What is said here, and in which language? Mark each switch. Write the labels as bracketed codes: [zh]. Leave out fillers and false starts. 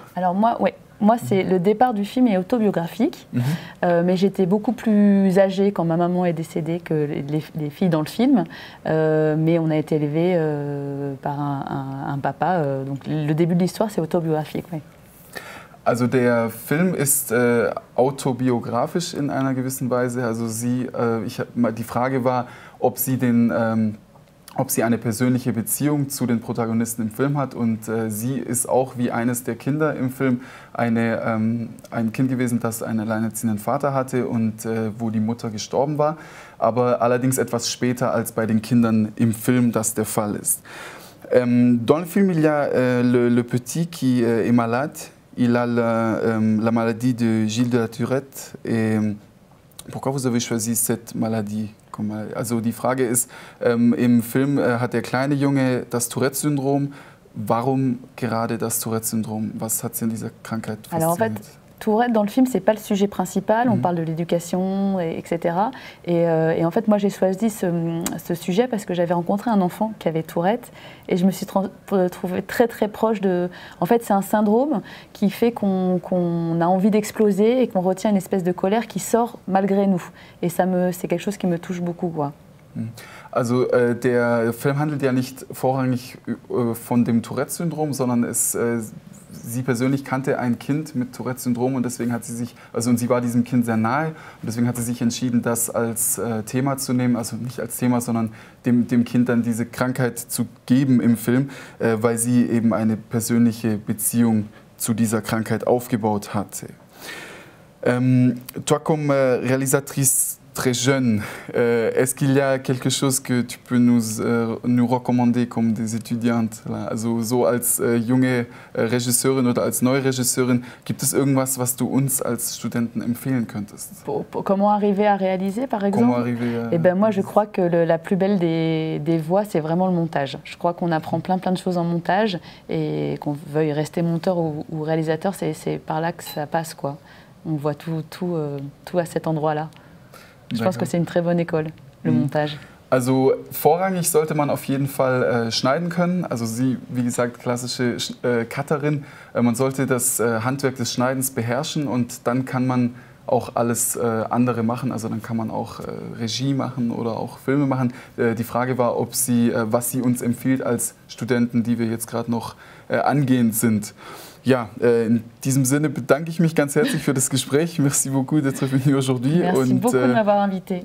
[fr] Alors moi, ouais, moi c'est le départ du film est autobiographique, mais j'étais beaucoup plus âgée quand ma maman est décédée que les filles dans le film, mais on a été élevés par un papa, donc le début de l'histoire c'est autobiographique, ouais. [de] Also der Film ist autobiografisch in einer gewissen Weise. Also sie, die Frage war, ob sie den, ob sie eine persönliche Beziehung zu den Protagonisten im Film hat. Und sie ist auch wie eines der Kinder im Film ein Kind gewesen, das einen alleinerziehenden Vater hatte und wo die Mutter gestorben war. Aber allerdings etwas später als bei den Kindern im Film das der Fall ist. [fr] Dans le film, il y a le petit qui est malade. Il a la maladie de Gilles de la Tourette. Et pourquoi vous avez choisi cette maladie? [de] Also die Frage ist, im Film hat der kleine Junge das Tourette-Syndrom. Warum gerade das Tourette-Syndrom? Was hat sie in dieser Krankheit fasziniert? [fr] Tourette, dans le film, ce n'est pas le sujet principal. On parle de l'éducation, etc. Et en fait, moi, j'ai choisi ce sujet parce que j'avais rencontré un enfant qui avait Tourette et je me suis trouvée très, très proche de... En fait, c'est un syndrome qui fait qu'on a envie d'exploser et qu'on retient une espèce de colère qui sort malgré nous. Et c'est quelque chose qui me touche beaucoup, quoi. [de] Also der Film handelt ja nicht vorrangig von dem Tourette-Syndrom, sondern sie persönlich kannte ein Kind mit Tourette-Syndrom und deswegen hat sie sich, also und sie war diesem Kind sehr nahe und deswegen hat sie sich entschieden, das als Thema zu nehmen, also nicht als Thema, sondern dem Kind dann diese Krankheit zu geben im Film, weil sie eben eine persönliche Beziehung zu dieser Krankheit aufgebaut hatte. [fr] Toi comme réalisatrice très jeune, est-ce qu'il y a quelque chose que tu peux nous recommander comme des étudiantes? [de] Also so als junge Regisseurin oder als neue Regisseurin, gibt es irgendwas, was du uns als Studenten empfehlen könntest? [fr] Comment arriver à réaliser, par exemple? Comment arriver à... Eh bien, moi, je crois que la plus belle des voies, c'est vraiment le montage. Je crois qu'on apprend plein de choses en montage et qu'on veuille rester monteur ou réalisateur, c'est par là que ça passe, quoi. On voit tout à cet endroit-là. [de] Ich denke, es ist eine sehr gute Schule, der Montage. Also vorrangig sollte man auf jeden Fall schneiden können. Also sie, wie gesagt, klassische Cutterin. Man sollte das Handwerk des Schneidens beherrschen und dann kann man auch alles andere machen. Also dann kann man auch Regie machen oder auch Filme machen. Die Frage war, ob sie, was sie uns empfiehlt als Studenten, die wir jetzt gerade noch angehend sind. Ja, in diesem Sinne bedanke ich mich ganz herzlich für das Gespräch. [fr] Merci beaucoup d'être venu aujourd'hui. Merci [de] und, [fr] beaucoup de m'avoir invité.